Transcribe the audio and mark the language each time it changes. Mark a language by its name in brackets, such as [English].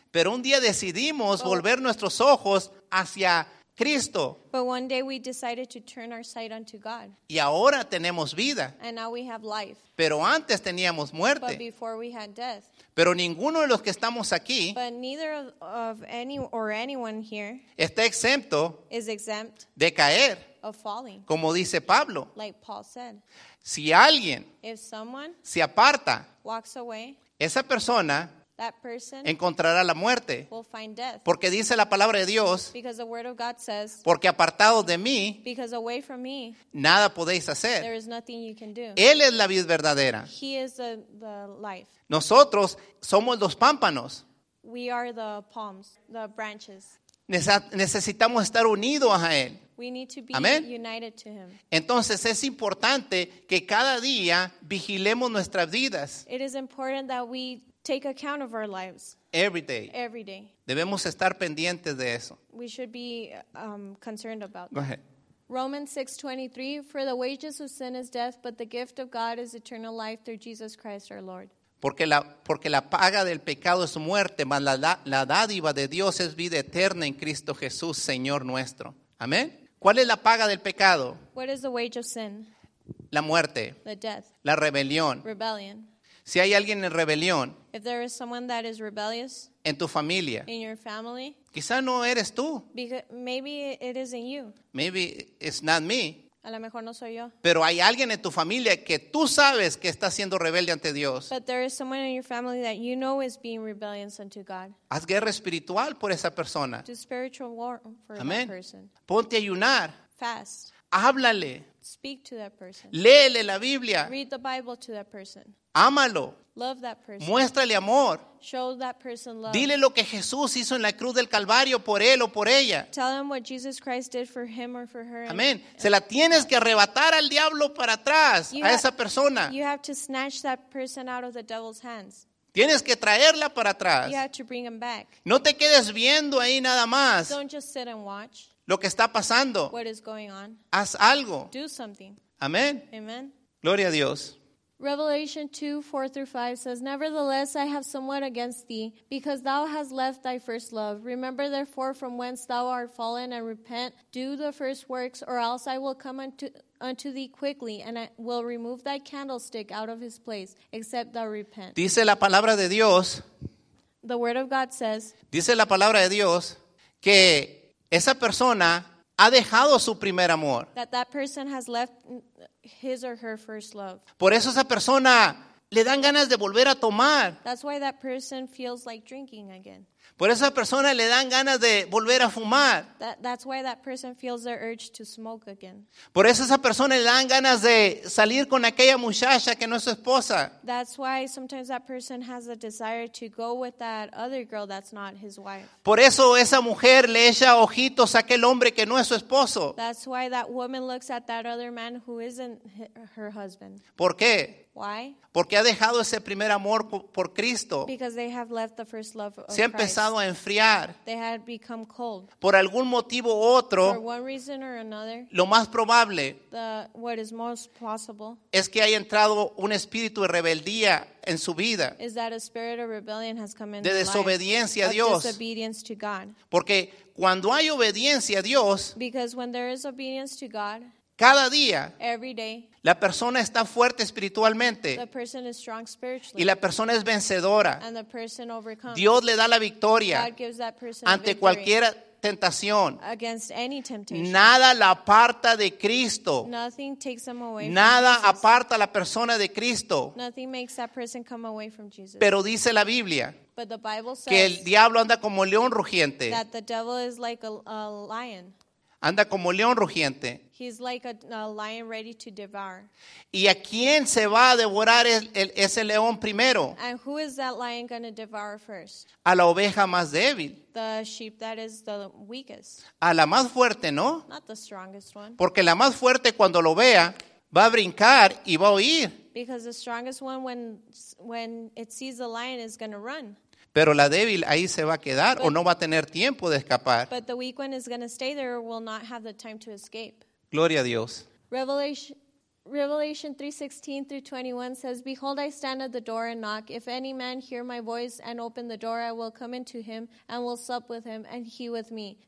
[Spanish] pero un día decidimos volver nuestros ojos hacia Cristo. [English] But one day we decided to turn our sight unto God. [Spanish] Y ahora tenemos vida. [English] And now we have life. [Spanish] Pero antes teníamos muerte. [English] But before we had death. [Spanish] Pero ninguno de los que estamos aquí. [English] But neither of any or anyone here. [Spanish] Está exento. [English] Is exempt. [Spanish] De caer. [English] Of falling. [Spanish] Como dice Pablo. [English] Like Paul said. [Spanish] Si alguien. [English] If someone. [Spanish] Se aparta. [English] Walks away. [Spanish] Esa persona. [English] That person [Spanish] encontrará la muerte. [English] Will find death. [Spanish] Porque dice la palabra de Dios. [English] Because the word of God says, [Spanish] porque apartados de mí. [English] Because away from me, [Spanish] nada podéis hacer. [English] There is nothing you can do. [Spanish] Él es la vid verdadera. [English] He is the life. [Spanish] Nosotros somos los pámpanos. [English] We are the palms, the branches. [Spanish] Necesitamos estar unidos a Él. [English] We need to be Amen. United to him. [Spanish] Entonces es importante que cada día vigilemos nuestras vidas. [English] It is important that we take account of our lives. Every day. Every day. [Spanish] Debemos estar pendientes de eso. [English] We should be concerned about that. Go ahead. Romans 6:23, for the wages of sin is death, but the gift of God is eternal life through Jesus Christ our Lord. [Spanish] Porque la paga del pecado es muerte, mas la dádiva de Dios es vida eterna en Cristo Jesús, Señor nuestro. Amén. ¿Cuál es la paga del pecado? [English] What is the wage of sin? [Spanish] La muerte. [English] The death. [Spanish] La rebelión. [English] Rebellion. [Spanish] Si hay alguien en rebelión, [English] if there is someone that is rebellious, [Spanish] en tu familia, [English] in your family, [Spanish] quizá no eres tú. [English] Maybe it isn't you. Maybe it's not me. [Spanish] A lo mejor no soy yo. Pero hay alguien en tu familia que tú sabes que está siendo rebelde ante Dios. [English] But there is someone in your family that you know is being rebellious unto God. [Spanish] Haz guerra espiritual por esa persona. [English] Do spiritual war for Amen. That person. [Spanish] Ponte a ayunar. [English] Fast. [Spanish] Háblale. [English] Speak to that person. [Spanish] Léele la Biblia. [English] Read the Bible to that person. [Spanish] Ámalo. [English] Love that person. [Spanish] Muéstrale amor. [English] Show that person love. [Spanish] Dile lo que Jesús hizo en la cruz del Calvario por él o por ella. [English] Tell him what Jesus Christ did for him or for her. [Spanish] Amén. Se la tienes que arrebatar al diablo para atrás, a esa persona. [English] You have to snatch that person out of the devil's hands. [Spanish] Tienes que traerla para atrás. [English] You have to bring him back. [Spanish] No te quedes viendo ahí nada más. [English] Don't just sit and watch. [Spanish] Lo que está pasando. [English] What is going on. [Spanish] Haz algo. [English] Do something. [Spanish] Amén. [English] Amen. [Spanish] Gloria a Dios. [English] Revelation 2, 4-5 says, nevertheless, I have somewhat against thee, because thou hast left thy first love. Remember therefore from whence thou art fallen, and repent, do the first works, or else I will come unto thee quickly, and I will remove thy candlestick out of his place, except thou repent. [Spanish] Dice la palabra de Dios. [English] The word of God says. [Spanish] Dice la palabra de Dios que esa persona ha dejado su primer amor. [English] That person has left his or her first love. [Spanish] Por eso esa persona le dan ganas de volver a tomar. [English] That's why that person feels like drinking again. [Spanish] Por eso esa persona le dan ganas de volver a fumar. [English] That's why that person feels their urge to smoke again. [Spanish] Por eso esa persona le dan ganas de salir con aquella muchacha que no es su esposa. [English] That's why sometimes that person has a desire to go with that other girl that's not his wife. [Spanish] Por eso esa mujer le echa ojitos a aquel hombre que no es su esposo. [English] That's why that woman looks at that other man who isn't her husband. [Spanish] ¿Por qué? [English] Why? [Spanish] Porque ha dejado ese primer amor por Cristo. [English] Because they have left the first love of Christ. [Spanish] Se ha empezado a enfriar. [English] They had become cold. [Spanish] Por algún motivo u otro. [English] For one reason or another. [Spanish] Lo más probable. [English] What is most possible. [Spanish] Es que haya entrado un espíritu de rebeldía en su vida. [English] Is that a spirit of rebellion has come into life. [Spanish] De desobediencia a Dios. [English] Of disobedience to God. [Spanish] Porque cuando hay obediencia a Dios. [English] Because when there is obedience to God. [Spanish] Cada día, [English] every day, [Spanish] la persona está fuerte espiritualmente [English] the person is strong spiritually, [Spanish] y la persona es vencedora. [English] And the person overcomes. [Spanish] Dios le da la victoria [English] God gives that person [Spanish] ante [English] victory [Spanish] cualquier tentación. [English] Against any temptation. [Spanish] Nada la aparta de Cristo. [English] Nothing takes them away [Spanish] nada [English] from Jesus. [Spanish] Aparta a la persona de Cristo. [English] Nothing makes that person come away from Jesus. [Spanish] Pero dice la Biblia [English] but the Bible says [Spanish] que el diablo anda como león rugiente. [English] That the devil is like a lion. [Spanish] Anda como león rugiente. [English] He's like a lion ready to devour. [Spanish] ¿Y a quién se va a devorar ese león primero? [English] And who is that lion going to devour first? [Spanish] A la oveja más débil. [English] The sheep that is the weakest. [Spanish] A la más fuerte, ¿no? [English] Not the strongest one. [Spanish] Porque la más fuerte cuando lo vea va a brincar y va a huir. [English] Because the strongest one when it sees the lion is going to run. [Spanish] Pero la débil ahí se va a quedar o no va a tener tiempo de escapar. [English] But the weak one is going to stay there or will not have the time to escape. [Spanish] Gloria a Dios. [English] Revelation 3:16-21 says, behold, I stand at the door and knock. If any man hear my voice and open the door, I will come into him and will sup with him and he with me.